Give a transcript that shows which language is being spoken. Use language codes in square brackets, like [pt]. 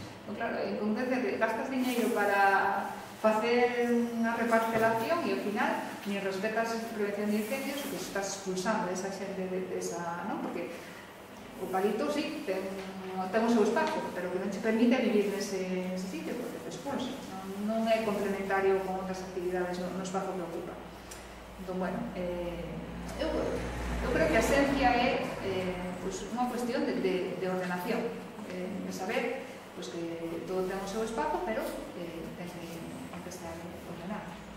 [es] Pues, claro, en concreto, gastas dinero para hacer una reparcelación y al final ni respetas la prevención de incendios, o que estás expulsando de esa gente, de esa, ¿no? Porque eucalipto sí, tengo su espacio, pero que no te permite vivir en ese sitio, porque te expulsas. [gl] Non é complementario con outras actividades no espazo que ocupa. Entón, bueno, eu creo que a esencia é pues, unha cuestión de ordenación, de saber pues, que todo ten o seu espazo, pero ten que estar ordenado.